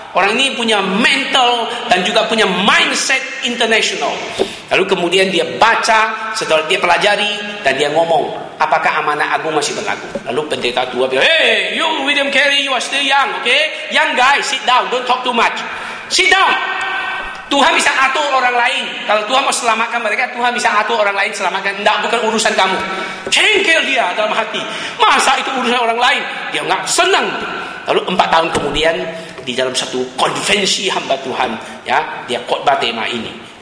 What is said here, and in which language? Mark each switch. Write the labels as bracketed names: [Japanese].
[Indonesian] Orang ini punya mental dan juga punya mindset international. Lalu kemudian dia baca, setelah dia pelajari dan dia ngomong, apakah amanah agung masih berlaku? Lalu pendeta tua bilang, [English] hey, you William Carey, you are still young, okay? Young guy, sit down, don't talk too much. Sit down. [Indonesian] Tuhan bisa atur orang lain. Kalau Tuhan mau selamatkan mereka, Tuhan bisa atur orang lain selamatkan. Tidak, bukan urusan kamu. Cengkel dia dalam hati. Masa itu urusan orang lain? Dia enggak senang. Lalu 4 tahun kemudian, di dalam satu konvensi hamba Tuhan, ya, dia khotbah tema ini.